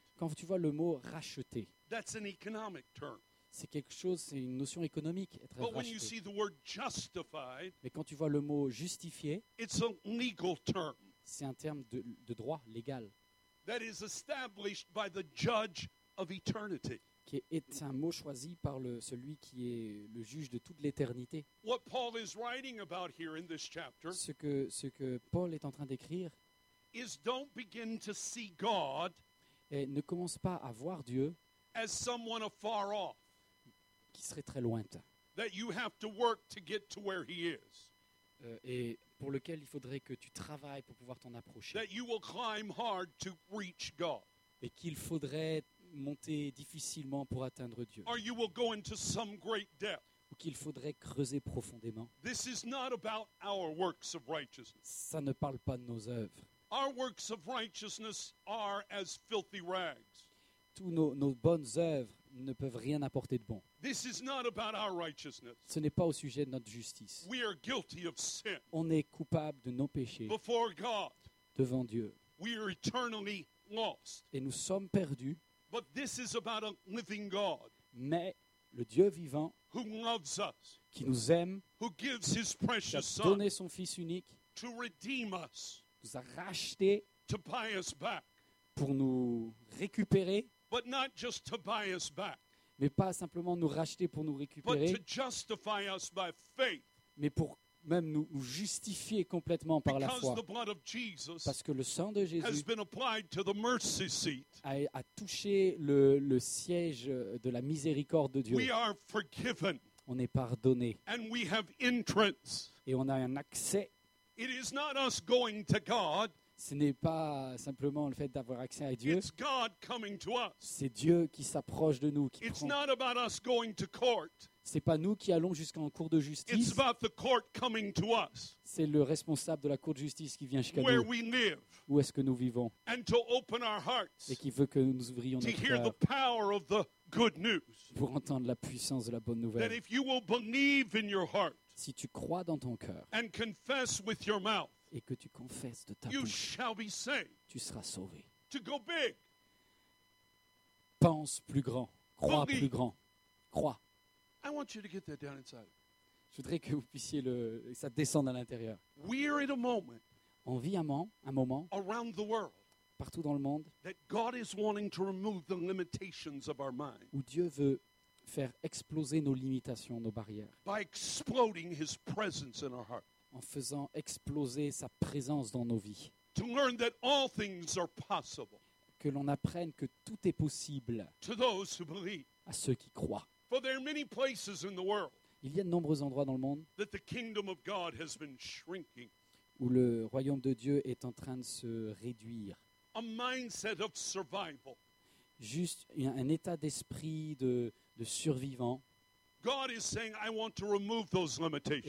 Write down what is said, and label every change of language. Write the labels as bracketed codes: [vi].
[fr] quand tu vois le mot racheté, [en] that's an economic term. [fr] C'est quelque chose, c'est une notion économique, être [en] racheté. But when you see the word justified, [fr] mais quand tu vois le mot justifié, [en] it's a legal term. [fr] C'est un terme de droit légal. [en] That is established by the judge of eternity. [fr] Qui est un mot choisi par celui qui est le juge de toute l'éternité. [en] What Paul is writing about here in this chapter, [fr] ce que Paul est en train d'écrire, [en] is don't begin to see God, [fr] et ne commence pas à voir Dieu, [en] as someone afar off, [fr] qui serait très lointain, [en] that you have to work to get to where he is, [fr] et pour lequel il faudrait que tu travailles pour pouvoir t'en approcher, [en] that you will climb hard to reach God, [fr] et qu'il faudrait monter difficilement pour atteindre Dieu. [en] Or you will go into some great depth. [fr] Ou qu'il faudrait creuser profondément. [en] This is not about our works of righteousness. [fr] Ça ne parle pas de nos œuvres. [en] Our works of righteousness are as filthy rags. [fr] Tous nos bonnes œuvres ne peuvent rien apporter de bon. [en] This is not about our righteousness. [fr] Ce n'est pas au sujet de notre justice. [en] We are guilty of sin. [fr] On est coupable de nos péchés. [en] Before God. [fr] Devant Dieu. [en] We are eternally lost. [fr] Et nous sommes perdus. [en] But this is about a living God. [fr] Mais le Dieu vivant, [en] who loves us, [fr] qui nous aime, [en] who gives his precious [fr] qui a donné son Fils unique, [en] to redeem us, [fr] nous a rachetés, [en] to buy us back, [fr] pour nous récupérer, [en] but not just to buy us back, [fr] mais pas simplement nous racheter pour nous récupérer, [en] but to justify us by faith, [fr] mais pour même nous justifier complètement par la foi. [en] The blood of Jesus, [fr] parce que le sang de Jésus [en] has been applied to the mercy seat, [fr] a touché le siège de la miséricorde de Dieu. [en] We are forgiven, [fr] on est pardonné. [en] And we have entrance. [fr] Et on a un accès. [en] It is not us going to God, [fr] ce n'est pas simplement le fait d'avoir accès à Dieu. [en] It's God coming to us. [fr] C'est Dieu qui s'approche de nous. [en] It's not about us going to court. [fr] Ce n'est pas nous qui allons jusqu'en cour de justice. [en] It's about the court coming to us. [fr] C'est le responsable de la cour de justice qui vient jusqu'à [en] where [fr] nous. [en] We live. [fr] Où est-ce que nous vivons. [en] And to open our hearts. [fr] Et qui veut que nous ouvrions [en] to [fr] notre [en] hear the power of the good news. [fr] Pour entendre la puissance de la bonne nouvelle. [en] That if you will believe in your heart, [fr] si tu crois dans ton cœur [en] and confess with your mouth, [fr] et que tu confesses de ta [en] you [fr] bouche, [en] shall be saved. [fr] Tu seras sauvé. [en] To go big. [fr] Pense plus grand. Crois [en] believe. [fr] Plus grand. Crois. [en] I want you to get that down inside. [fr] Je voudrais que vous puissiez ça descende à l'intérieur. [en] We are in a moment. [fr] On vit un moment. [en] Around the world. [fr] Partout dans le monde. [en] That God is wanting to remove the limitations of our mind. [fr] Où Dieu veut faire exploser nos limitations, nos barrières. [en] By exploding His presence in our heart. [fr] En faisant exploser sa présence dans nos vies. [en] To learn that all things are possible. [fr] Que l'on apprenne que tout est possible. [en] To those who believe. [fr] À ceux qui croient. [en] For there are many places in the world. [fr] Il y a de nombreux endroits dans le monde. [en] That the kingdom of God has been shrinking. [fr] où le royaume de Dieu est en train de se réduire. [en] A mindset of survival. [fr] Juste un état d'esprit de survivant. [en] God is saying, I want to remove those limitations.